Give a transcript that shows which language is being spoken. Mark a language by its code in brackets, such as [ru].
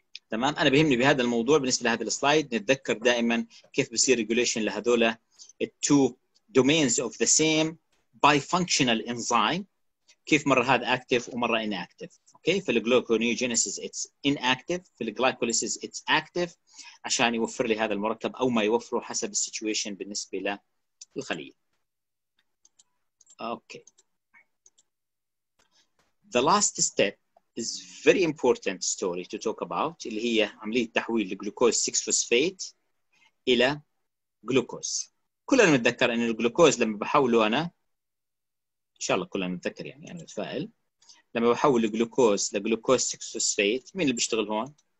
[ar] تمام؟ أنا بهمني بهذا الموضوع بالنسبة لهذا السلايد نتذكر دائما كيف بصير regulation لهذولا [en] two domains of the same bifunctional enzyme، [ar] كيف مرة هذا active ومرة inactive. Okay؟ في الgluconeogenesis [en] it's inactive، [ar] في الglycolysis [en] it's active، [ar] عشان يوفر لي هذا المركب أو ما يوفره حسب situation بالنسبة للخلية. [en] Okay. The last step is very important story to talk about. [ar] اللي هي عملية تحويل الجلوكوز 6 فوسفات إلى جلوكوز. كلنا نتذكر إن الجلوكوز لما بحوله أنا، إن شاء الله كلنا نتذكر يعني أنا متفائل. لما بحول الجلوكوز لجلوكوز 6 فوسفات، مين اللي بيشتغل هون؟